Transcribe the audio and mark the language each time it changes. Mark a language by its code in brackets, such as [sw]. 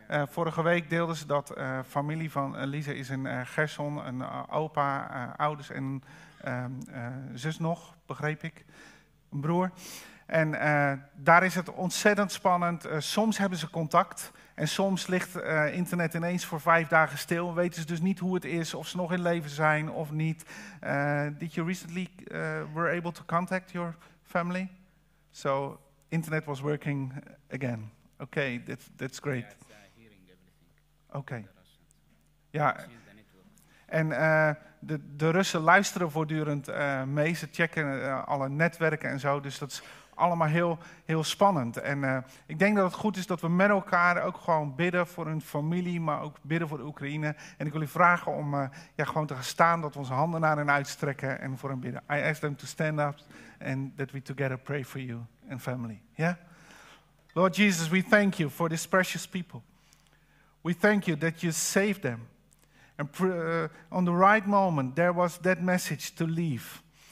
[nl] Vorige week deelden ze dat familie van Lisa is in Gerson. Een opa, ouders en zus nog, begreep ik. Een broer. En daar is het ontzettend spannend. Soms hebben ze contact. En soms ligt internet ineens voor 5 dagen stil. Weten ze dus niet hoe het is, of ze nog in leven zijn of niet. [en] Did you recently were able to contact your family? So, internet was working again. Okay, that's great. Yeah, it's hearing everything. Okay. Ja. [nl] En de Russen luisteren voortdurend mee. Ze checken alle netwerken en zo. Dus dat is allemaal heel, heel spannend. En ik denk dat het goed is dat we met elkaar ook gewoon bidden voor hun familie, maar ook bidden voor de Oekraïne. En ik wil u vragen om gewoon te gaan staan, dat we onze handen naar hen uitstrekken en voor hen bidden. [en] I ask them to stand up and that we together pray for you and family. Yeah? Lord Jesus, we thank you for these precious people. We thank you that you saved them. And on the right moment, there was that message to leave.